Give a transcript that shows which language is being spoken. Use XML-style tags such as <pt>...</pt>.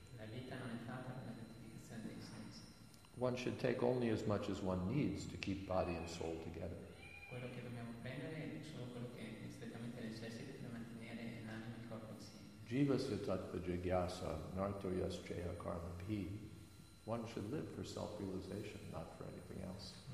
<it>La vita non è fatta per la gratificazione dei sensi.</it> <en>One should take only as much as one needs to keep body and soul together.</en> <it>Quello che dobbiamo prendere è solo quello che è strettamente necessario per mantenere l'anima e il corpo insieme.</it> <sa>Jivasya Tattva Jigyasa, Narto Yascheya Karma Pi.</sa> <en>One should live for self-realization, not for anything else.</en>